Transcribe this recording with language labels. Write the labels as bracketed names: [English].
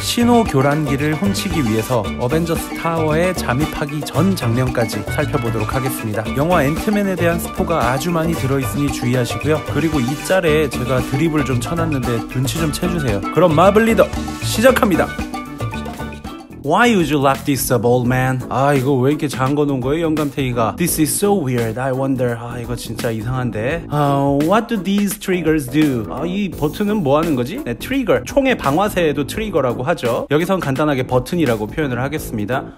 [Korean] 신호 교란기를 훔치기 위해서 어벤져스 타워에 잠입하기 전 장면까지 살펴보도록 하겠습니다. 영화 앤트맨에 대한 스포가 아주 많이 들어있으니 주의하시고요. 그리고 이 짤에 제가 드립을 좀 쳐놨는데 눈치 좀 채주세요. 그럼 마블 리더 시작합니다. [English] Why would you lock this up, old man? [Korean] 아, 이거 왜 이렇게 잠궈놓은 거예요, 영감탱이가? [English] This is so weird, I wonder. [Korean] 아, 이거 진짜 이상한데. [English] What do these triggers do? [Korean] 아, 이 버튼은 뭐 하는 거지? 네, 트리거. 총의 방아쇠에도 트리거라고 하죠. 여기선 간단하게 버튼이라고 표현을 하겠습니다.